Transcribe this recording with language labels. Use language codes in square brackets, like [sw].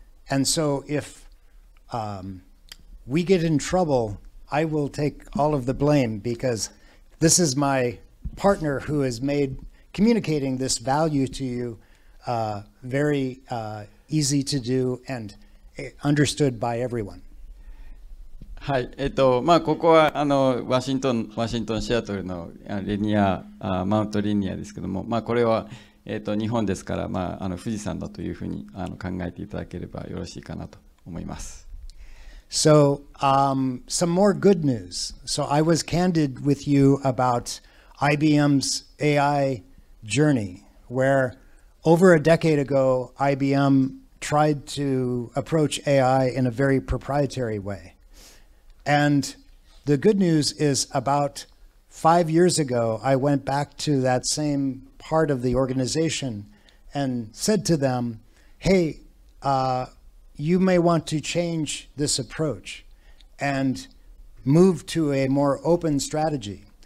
[en] And so if we get in trouble,I will take all of the blame, because this is my partner who has made communicating this value to you very easy to do and understood by everyone. [ja] はい、まあ、ここはワシントンシアトルのリニア、マウントリニアですけども、まあ、これは日本ですから、まあ、富士山だというふうに考えていただければよろしいかなと思います。 [en] So, some more good news. So I was candid with you about IBM's AI journey, where over a decade ago, IBM tried to approach AI in a very proprietary way. And the good news is about 5 years ago, I went back to that same part of the organization and said to them, hey, you may want to change this approach and move to a more open strategy.